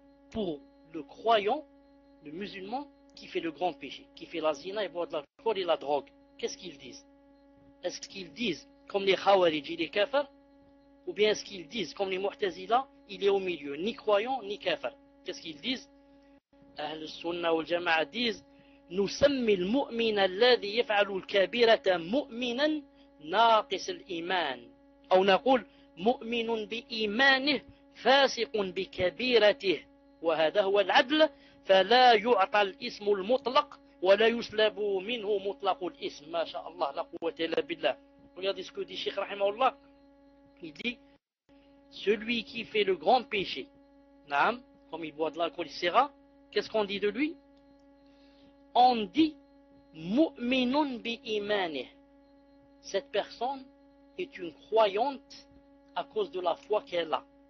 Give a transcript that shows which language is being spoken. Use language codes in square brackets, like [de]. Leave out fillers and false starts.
[fr] Pour le croyant, le musulman qui fait le grand péché, qui fait la zina et boit de l'alcool et la drogue, qu'est-ce qu'ils disent? Est-ce qu'ils disent comme les Khawarij et les Kafir? Ou bien est-ce qu'ils disent comme les Mu'tazila, il est au milieu, ni croyant ni Kafir? Qu'est-ce qu'ils disent? [ar] Ahl Sunnah wal Jama'a disent: نسمي المؤمن الذي يفعل الكبيرة مؤمنا ناقص الإيمان، أو نقول مؤمن بإيمانه فاسق بكبيرته، وهذا هو العدل، فلا يعطى الاسم المطلق ولا يسلب منه مطلق الاسم. ما شاء الله لا قوة إلا بالله. [fr] Regardez ce que dit Cheikh رحمه الله. Il dit: celui qui fait le grand péché, نعم, comme il boit de l'alcool, etc., qu'est-ce qu'on dit de lui? On dit mu'minun bi'imani. Cette personne est une croyante à cause de la foi qu'elle a.